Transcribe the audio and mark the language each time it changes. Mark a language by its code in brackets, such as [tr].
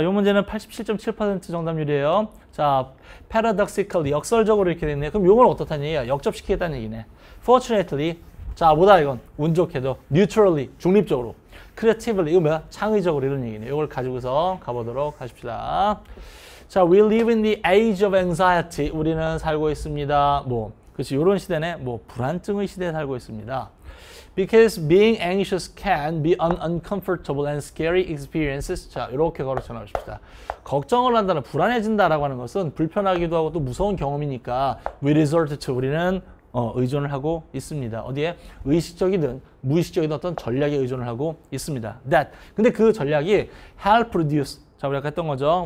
[ko] 이 문제는 87.7% 정답률이에요. 자, paradoxically, 역설적으로 이렇게 되네요. 그럼 이건 어떻다는 얘기야? 역접시키겠다는 얘기네. Fortunately, 자, 뭐다 이건? 운 좋게도, neutrally, 중립적으로, creatively, 이거 뭐야? 창의적으로 이런 얘기네요. 이걸 가지고서 가보도록 하십시다. [en] 자, we live in the age of anxiety. [ko] 우리는 살고 있습니다. 뭐, 그렇지, 이런 시대네. 뭐, 불안증의 시대에 살고 있습니다. [en] Because being anxious can be an uncomfortable and scary experiences. [ko] 자, 이렇게 걸어 전하십시다. 걱정을 한다는, 불안해진다라고 하는 것은 불편하기도 하고 또 무서운 경험이니까 [en] we resort to, [ko] 우리는 의존을 하고 있습니다. 어디에? 의식적이든 무의식적이든 어떤 전략에 의존을 하고 있습니다. That. 근데 그 전략이 [en] help reduce. [ko] 자, 우리 아까 했던 거죠.